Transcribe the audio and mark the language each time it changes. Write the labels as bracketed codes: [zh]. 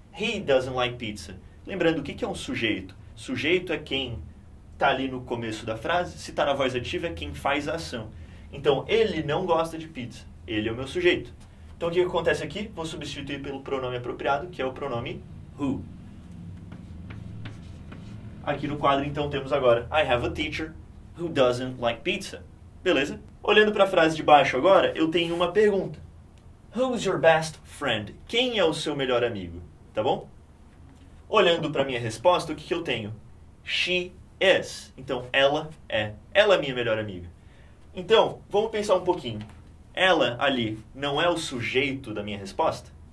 [en] He doesn't like pizza. [pt] Lembrando, o que é um sujeito? Sujeito é quem está ali no começo da frase, se está na voz ativa, é quem faz a ação. Então, ele não gosta de pizza. Ele é o meu sujeito. Então, o que acontece aqui? Vou substituir pelo pronome apropriado, que é o pronome who. Aqui no quadro, então, temos agora: [en] I have a teacher who doesn't like pizza. [pt] Beleza? Olhando para a frase de baixo agora, eu tenho uma pergunta. [en] Who's your best friend? [pt] Quem é o seu melhor amigo? Tá bom? Olhando para a minha resposta, o que que eu tenho? [en] She is. [pt] Então, ela é. Ela é minha melhor amiga. Então, vamos pensar um pouquinho. Ela ali não é o sujeito da minha resposta?